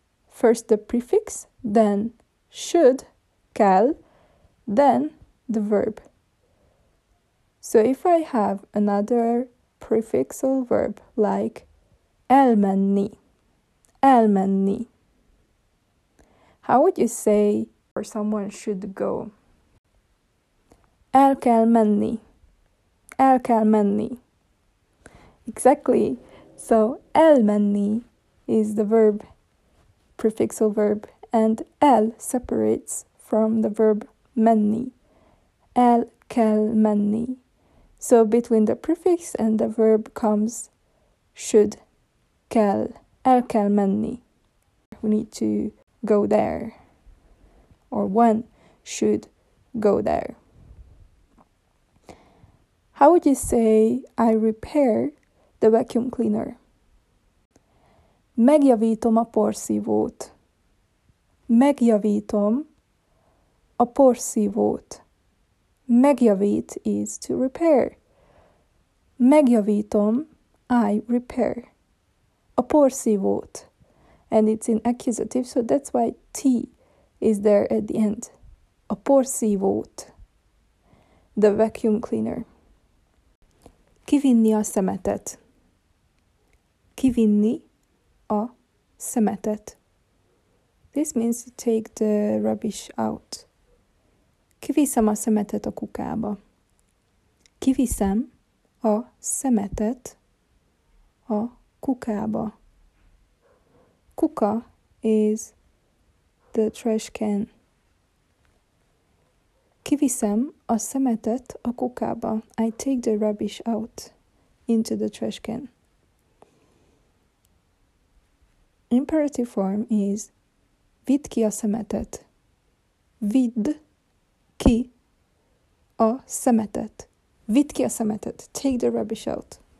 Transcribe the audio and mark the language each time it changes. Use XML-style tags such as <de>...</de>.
<en>First the prefix, then should, kell, then the verb. So if I have another prefixal verb like</en> <hu>elmenni, elmenni,</hu> <en>how would you say or someone should go?</en> <hu>El kell menni, el kell menni.</hu> <en>Exactly. So elmenni is the verb, prefixal verb, and el separates from the verb menni.</en> <hu>El kell menni.</hu> <en>So between the prefix and the verb comes should,</en> <hu>kell, el kell menni.</hu> <en>We need to go there. Or one should go there. How would you say I repair the vacuum cleaner?</en> <hu>Megjavítom a porszívót. Megjavítom a porszívót. Megjavít</hu> <en>is to repair.</en> <hu>Megjavítom,</hu> <en>I repair.</en> <hu>A porszívót.</hu> <en>And it's in accusative, so that's why T is there at the end.</en> <hu>A porszívót.</hu> <en>The vacuum cleaner.</en> <hu>Kivinni a szemetet. Kivinni a szemetet.</hu> <en>This means to take the rubbish out.</en> <hu>Kiviszem a szemetet a kukába. Kiviszem a szemetet a kukába.</hu> <en>Kuka is the trash can.</en> <hu>Kiviszem a szemetet a kukába.</hu> <en>I take the rubbish out into the trash can. Imperative form is</en> <hu>vidd ki a szemetet. Vidd ki a szemetet. Vidd ki a szemetet.</hu> <en>Take the rubbish out.</en>